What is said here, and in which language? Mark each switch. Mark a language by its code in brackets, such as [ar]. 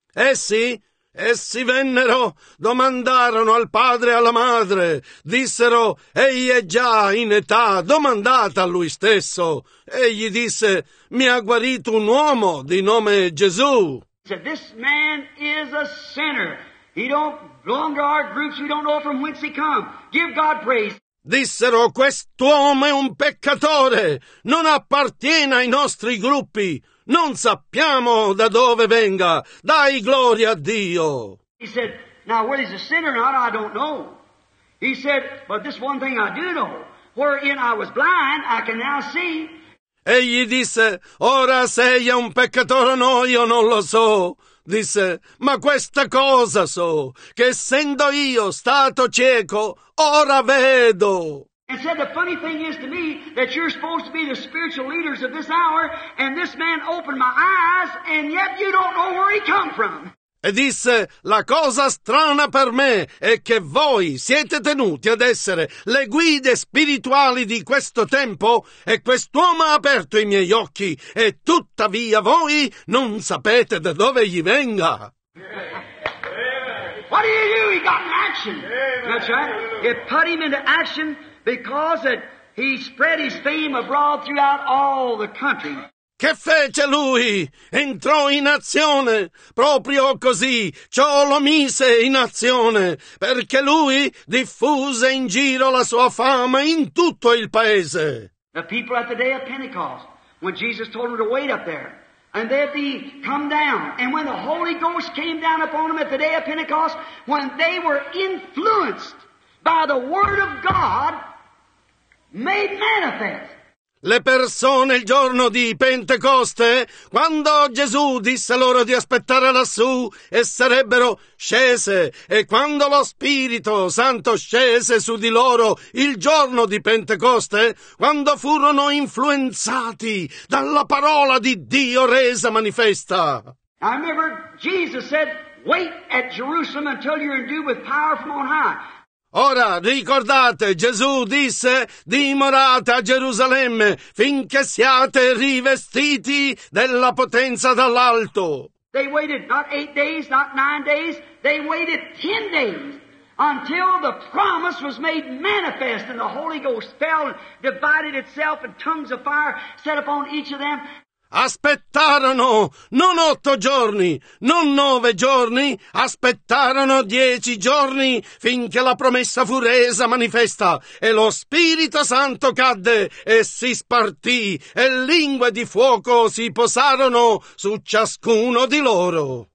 [it] Essi vennero, domandarono al padre e alla madre, dissero, egli è già in età, domandata a lui stesso. Egli disse, mi ha guarito un uomo di nome Gesù. [en] This man is a sinner. He don't belong to our groups, we don't know from whence he come. Give God praise. [it] Dissero, quest'uomo è un peccatore, non appartiene ai nostri gruppi. Non sappiamo da dove venga. Dai gloria a Dio. [en] He said, now whether he's a sinner or not, I don't know. He said, but this one thing I do know. Wherein I was blind, I can now see. [it] Egli disse, ora sei un peccatore o no, io non lo so. Disse, ma questa cosa so, che essendo io stato cieco, ora vedo. [en] And said, the funny thing is to me that you're supposed to be the spiritual leaders of this hour, and this man opened my eyes, and yet you don't know where he come from. [it] e disse: la cosa strana per me è che voi siete tenuti ad essere le guide spirituali di questo tempo, e quest'uomo ha aperto i miei occhi, e tuttavia voi non sapete da dove gli venga. [en] What do you do? He got in action. That's right. It put him into action because it, he spread his fame abroad throughout all the country. [it] Che fece lui? Entrò in azione, proprio così, ciò lo mise in azione, perché lui diffuse in giro la sua fama in tutto il paese. [en] The people at the day of Pentecost, when Jesus told them to wait up there, and they'd be come down, and when the Holy Ghost came down upon them at the day of Pentecost, when they were influenced by the Word of God, made manifest. [it] Le persone il giorno di Pentecoste, quando Gesù disse loro di aspettare lassù, e sarebbero scese, e quando lo Spirito Santo scese su di loro il giorno di Pentecoste, quando furono influenzati dalla parola di Dio resa manifesta. [en] I remember Jesus said, wait at Jerusalem until you're endued with power from on high. [it] Ora, ricordate, Gesù disse, dimorate a Gerusalemme finché siate rivestiti della potenza dall'alto. [en] They waited not 8 days, not 9 days, they waited 10 days until the promise was made manifest and the Holy Ghost fell and divided itself and tongues of fire set upon each of them. [it] Aspettarono non 8 giorni, non 9 giorni, aspettarono 10 giorni finché la promessa fu resa manifesta e lo Spirito Santo cadde e si spartì e lingue di fuoco si posarono su ciascuno di loro.